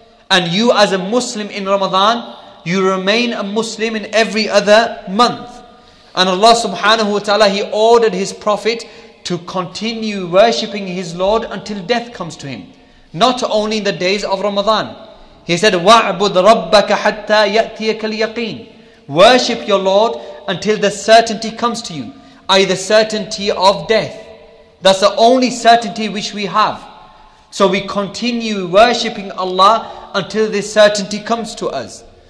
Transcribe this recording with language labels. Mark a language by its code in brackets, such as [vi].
[en] And you as a Muslim in Ramadan, you remain a Muslim in every other month. And Allah subhanahu wa ta'ala, He ordered His Prophet to continue worshipping His Lord until death comes to him. Not only in the days of Ramadan. He said, [ar] وَعْبُدْ رَبَّكَ حَتَّى يَأْتِيَكَ الْيَقِينَ. [en] Worship your Lord until the certainty comes to you. I.e. the certainty of death. That's the only certainty which we have. So we continue worshipping Allah until this certainty comes to us.